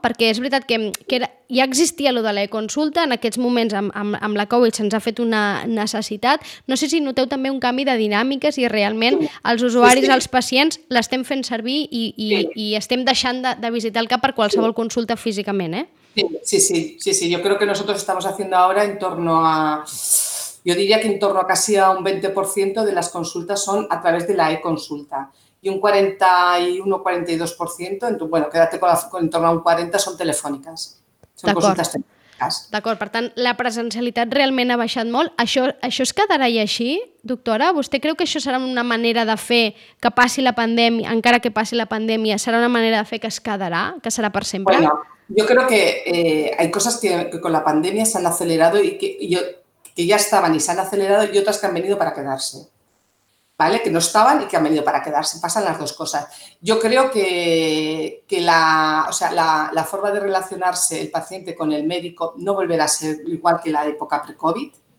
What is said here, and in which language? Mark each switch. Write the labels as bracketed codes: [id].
[ca] Perquè és veritat que ja existia allò de l'e-consulta, en aquests moments amb la Covid se'ns ha fet una necessitat. No sé si noteu també un canvi de dinàmiques i realment els usuaris, els pacients, l'estem fent servir i estem deixant de visitar el CAP per qualsevol consulta físicament, eh? Sí. [es] Yo creo que nosotros estamos haciendo ahora en torno a... Yo diría que en torno a casi a un 20% de las consultas son a través de la e-consulta. Y un 41-42%, bueno, quédate con en torno a un 40%, son telefónicas. Son consultas telefónicas. [ca] D'acord, per tant, la presencialitat realment ha baixat molt. Això es quedarà i així, doctora? Vostè creu que això serà una manera de fer que passi la pandèmia, encara que passi la pandèmia, serà una manera de fer que es quedarà, que serà per sempre? [es] Bueno, yo creo que hay cosas que con la pandemia se han acelerado y que ya estaban y se han acelerado y otras que han venido para quedarse. ¿Vale? Que no estaban y que han venido para quedarse. Pasan las dos cosas. Yo creo que la forma de relacionarse el paciente con el médico no volverá a ser igual que la época pre-COVID.